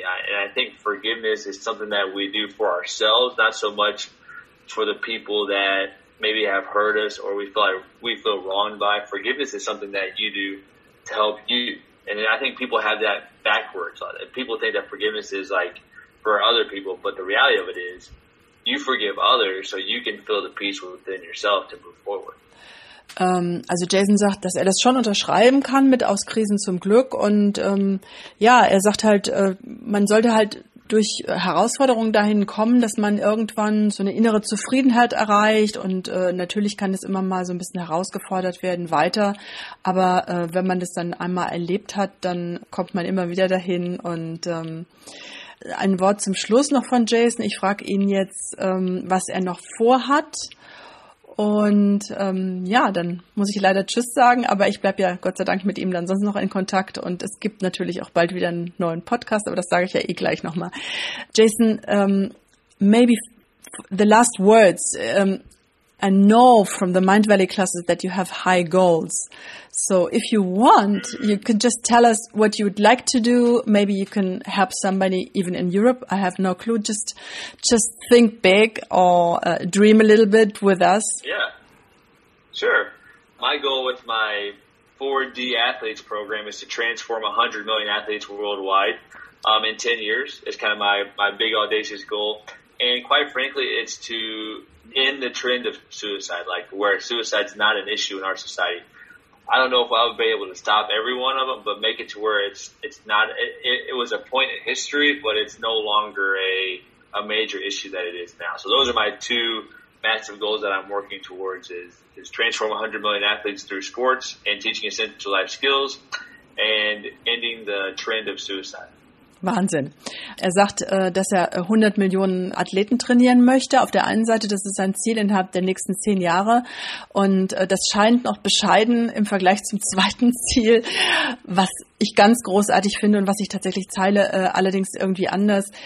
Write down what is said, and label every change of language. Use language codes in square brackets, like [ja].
[en] I think forgiveness is something that we do for ourselves, not so much for the people that maybe have hurt us or we feel like we feel wronged by. Forgiveness is something that you do to help you. And I think people have that backwards. People think that forgiveness is like for other people, but the reality of it is you forgive others so you can feel the peace within yourself to move forward. [de] Also Jason sagt, dass er das schon unterschreiben kann mit Aus Krisen zum Glück und ja, er sagt halt, man sollte halt durch Herausforderungen dahin kommen, dass man irgendwann so eine innere Zufriedenheit erreicht und natürlich kann es immer mal so ein bisschen herausgefordert werden weiter, aber wenn man das dann einmal erlebt hat, dann kommt man immer wieder dahin und ein Wort zum Schluss noch von Jason, ich frage ihn jetzt, was er noch vorhat. Und ja, dann muss ich leider Tschüss sagen, aber ich bleibe ja Gott sei Dank mit ihm dann sonst noch in Kontakt und es gibt natürlich auch bald wieder einen neuen Podcast, aber das sage ich ja eh gleich nochmal. [en] Jason, maybe the last words. I know from the Mind Valley classes that you have high goals. So if you want, you can just tell us what you would like to do. Maybe you can help somebody even in Europe. I have no clue. Just think big or dream a little bit with us. Yeah, sure. My goal with my 4D athletes program is to transform 100 million athletes worldwide in 10 years. It's kind of my big audacious goal. And quite frankly, it's to end the trend of suicide, like where suicide's not an issue in our society. I don't know if I'll be able to stop every one of them, but make it to where it was a point in history, but it's no longer a major issue that it is now. So those are my two massive goals that I'm working towards is transform 100 million athletes through sports and teaching essential life skills and ending the trend of suicide. [de] Wahnsinn. Er sagt, dass er 100 Millionen Athleten trainieren möchte. Auf der einen Seite, das ist sein Ziel innerhalb der nächsten 10 Jahre. Und das scheint noch bescheiden im Vergleich zum zweiten Ziel, was ich ganz großartig finde und was ich tatsächlich teile, allerdings irgendwie anders.